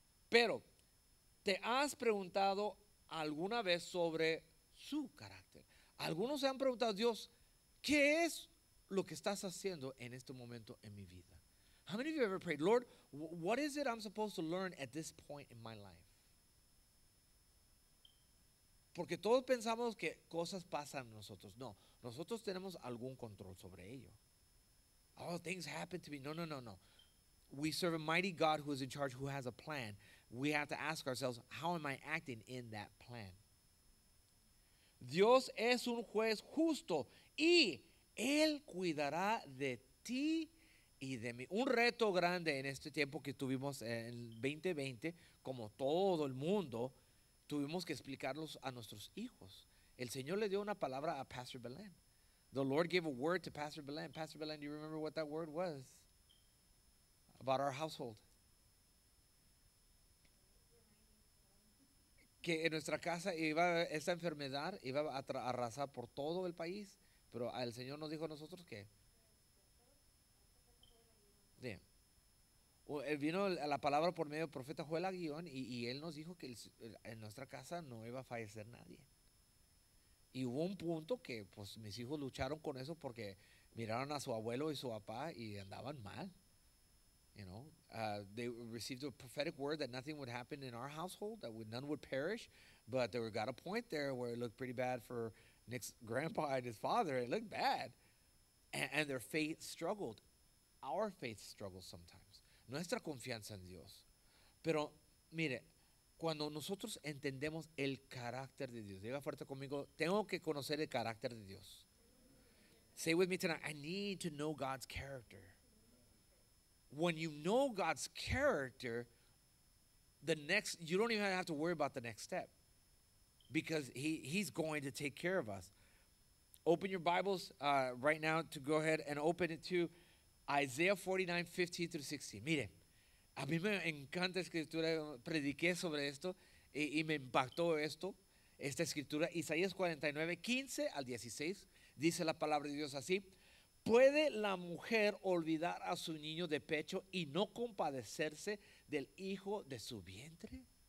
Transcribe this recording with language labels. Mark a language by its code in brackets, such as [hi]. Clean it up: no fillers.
[es] Pero, ¿te has preguntado alguna vez sobre su carácter? Algunos se han preguntado, Dios, ¿qué es lo que estás haciendo en este momento en mi vida? [en] How many of you ever prayed, Lord, what is it I'm supposed to learn at this point in my life? [es] Porque todos pensamos que cosas pasan a nosotros. No, nosotros tenemos algún control sobre ello. [en] Oh, things happen to me. No, no, no, no. We serve a mighty God who is in charge, who has a plan. We have to ask ourselves, how am I acting in that plan? [es] Dios es un juez justo y Él cuidará de ti y de mí. Un reto grande en este tiempo que tuvimos en 2020, como todo el mundo, tuvimos que explicarlos a nuestros hijos. El Señor le dio una palabra a Pastor Belén. [en] The Lord gave a word to Pastor Belén. Pastor Belén, do you remember what that word was? About our household. [es] Que en nuestra casa iba esta enfermedad, iba a arrasar por todo el país. Pero el Señor nos dijo a nosotros que. Él vino la palabra por medio del profeta Joel Aguillón y él nos dijo que en nuestra casa no iba a fallecer nadie. Y hubo un punto que pues mis hijos lucharon con eso porque miraron a su abuelo y su papá y andaban mal. [en] You know, they received a prophetic word that nothing would happen in our household, that none would perish. But they got a point there where it looked pretty bad for Nick's grandpa and his father. It looked bad. And their faith struggled. Our faith struggles sometimes. [es] Nuestra confianza en Dios. Pero, mire, cuando nosotros entendemos el carácter de Dios, diga fuerte conmigo, tengo que conocer el carácter de Dios. [en] Say with me tonight, I need to know God's character. When you know God's character, you don't even have to worry about the next step. Because he's going to take care of us. Open your Bibles right now to go ahead and open it to Isaiah 49:15-16. [es] Mire, a mí me encanta la escritura. Prediqué sobre esto y me impactó esto, esta escritura. Isaías 49:15-16 dice la palabra de Dios así: ¿Puede la mujer olvidar a su niño de pecho y no compadecerse del hijo de su vientre?